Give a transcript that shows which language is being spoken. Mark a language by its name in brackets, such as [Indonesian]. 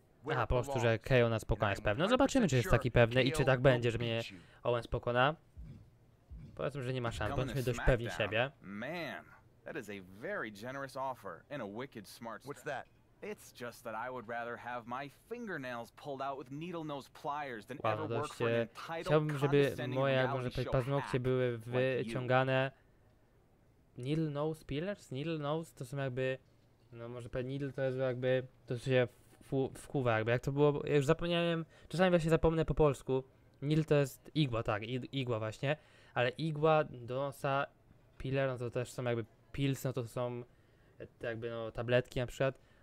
[Polish] Aha, po prostu, że KO nas pokona, jest pewne. No zobaczymy, czy jest taki pewny i czy tak będzie, że mnie Owens pokona. Powiedzmy, że nie ma szans, bądźmy dość pewni siebie. [English] Man, that is a very generous offer and a wicked smart. What's that? It's just that I would rather have my fingernails pulled out with needle nose pliers than ever work for an entitled. [Polish] Chciałbym, żeby moje, jak może powiedzieć, paznokcie były wyciągane. [English] Needle nose pliers? Needle nose [Polish] to są jakby. No może powiedzieć, needle to jest jakby. To się wkuwa jakby. Jak to było. Ja już zapomniałem. Czasami właśnie zapomnę po polsku. Needle to jest igła, tak, igła właśnie. Ale igła do nosa, piller, no to też są jakby pills, no to są jakby no tabletki na przykład.